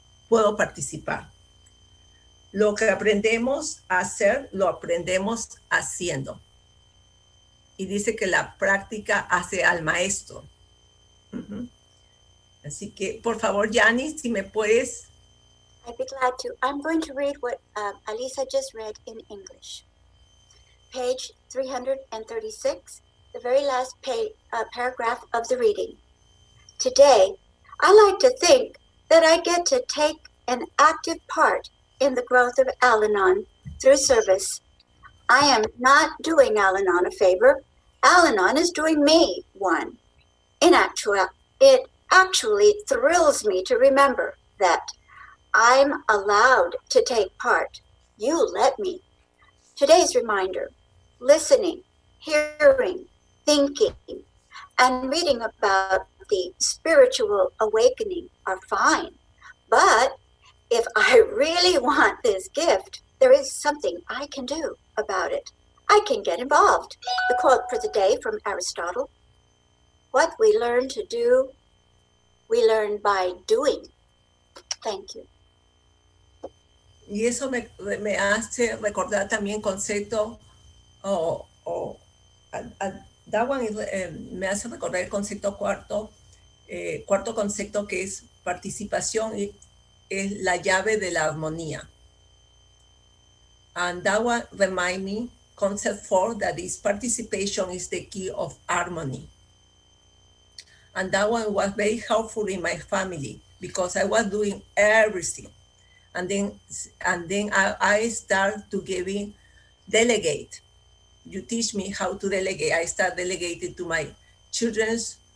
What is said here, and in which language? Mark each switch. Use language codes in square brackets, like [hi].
[es] Puedo participar. Lo que aprendemos a hacer, lo aprendemos haciendo. Y dice que la práctica hace al maestro. Uh-huh. Así que, por favor, Yanni, si me puedes. [en] I'd be glad to. I'm going to read what Alisa just read in English. Page 336, the very last paragraph of the reading. Today, I like to think that I get to take an active part in the growth of Al-Anon through service. I am not doing Al-Anon a favor. Al-Anon is doing me one. It actually thrills me to remember that I'm allowed to take part. You let me. Today's reminder, listening, hearing, thinking, and reading about the spiritual awakening are fine, but if I really want this gift, there is something I can do about it. I can get involved. The quote for the day from Aristotle. What we learn to do, we learn by doing. Thank you. [es] Y eso me hace recordar también concepto, me hace recordar el concepto cuarto concepto, que es participación y es la llave de la armonía. [en] And that one remind me, concept four, that is participation is the key of harmony. And that one was very helpful in my family because I was doing everything. And then I start to giving, delegate. You teach me how to delegate. I start delegating to my children's,